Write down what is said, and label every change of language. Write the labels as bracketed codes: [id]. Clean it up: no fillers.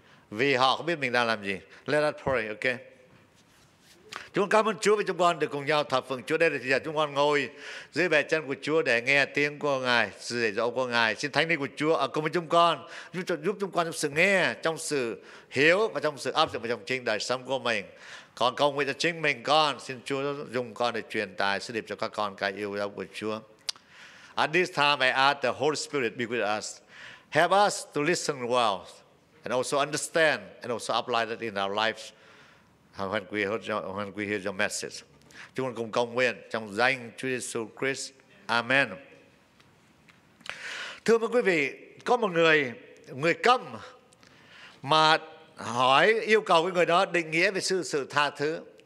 [vi] Vì họ không biết mình đang làm gì. [en] Let us pray, okay. [vi] Chúng con cảm ơn Chúa và chúng con được cùng nhau thờ phượng Chúa. Đây là thời gian chúng con ngồi dưới bề chân của Chúa để nghe tiếng của Ngài, sự dạy dỗ của Ngài. Xin Thánh Linh của Chúa ở cùng với chúng con, giúp chúng con trong sự nghe, trong sự hiểu và trong sự áp dụng vào trong chính đời sống của mình. Còn cầu nguyện cho chính mình con, xin Chúa dùng con để truyền tài sự điệp cho các con cái yêu dấu của Chúa. [en] At this time, I ask the Holy Spirit be with us. Help us to listen well and also understand and also apply that in our lives. When we hear your message. [vi] Chúng con cùng cầu nguyện trong danh Chúa Giêsu Christ. Amen. Thưa mọi quý vị, có một người câm mà hỏi yêu cầu cái người đó định nghĩa về sự tha thứ.